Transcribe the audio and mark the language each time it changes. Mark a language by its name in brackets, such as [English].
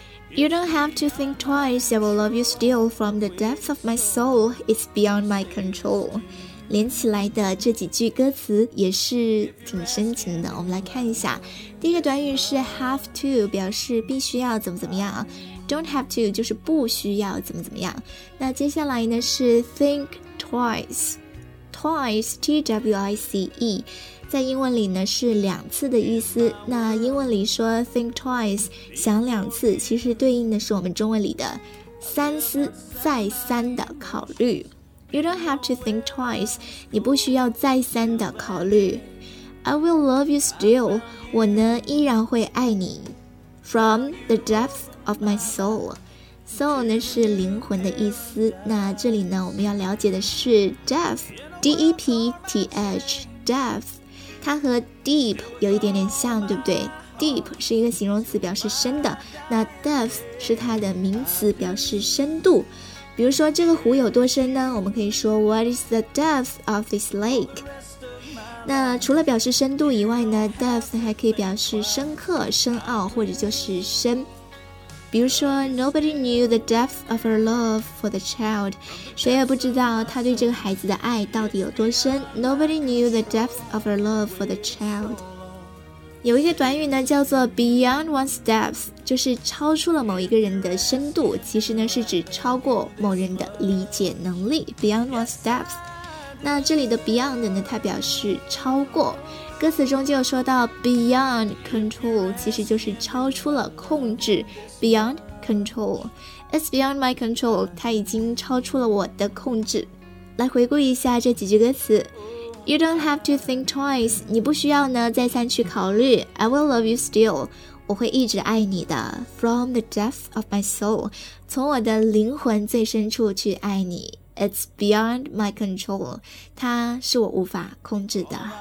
[English] You don't have to think twice, I will love you still from the depth of my soul, it's beyond my control. [Chinese] 连起来的这几句歌词也是挺深情的，我们来看一下。第一个短语是 have to, 表示必须要怎么怎么样。 Don't have to, 就是不需要怎么怎么样。那接下来呢是 think twice。 Twice, T-W-I-C-E, 在英文里呢是两次的意思。那英文里说 think twice, 想两次，其实对应的是我们中文里的三思，再三的考虑。 [English] You don't have to think twice, [Chinese] 你不需要再三的考虑。 [English] I will love you still, [Chinese] 我呢依然会爱你。 [English] From the depth of my soul, [Chinese] Soul 呢是灵魂的意思，那这里呢我们要了解的是 depth, D-E-P-T-H, depth, 它和 deep 有一点点像，对不对？ deep 是一个形容词，表示深的，那 depth 是它的名词，表示深度。比如说这个湖有多深呢？ [English] 我们可以说 What is the depth of this lake? [Chinese] 那除了表示深度以外呢， depth 还可以表示深刻、深奥，或者就是深。比如说 [English] Nobody knew the depth of her love for the child, [Chinese] 谁也不知道她对这个孩子的爱到底有多深。 [English] Nobody knew the depth of her love for the child。 [Chinese] 有一个短语呢叫做 beyond one's depth, 就是超出了某一个人的深度，其实呢是指超过某人的理解能力， beyond one's depth。那这里的 beyond 呢它表示超过，歌词中就有说到 beyond control, 其实就是超出了控制， beyond control, [English] it's beyond my control, [Chinese] 它已经超出了我的控制。来回顾一下这几句歌词， [English] You don't have to think twice, [Chinese] 你不需要呢再三去考虑。 [English] I will love you still, [Chinese] 我会一直爱你的。 [English] From the depth of my soul, [Chinese] 从我的灵魂最深处去爱你。 [English] It's beyond my control, [Chinese] 它是我无法控制的。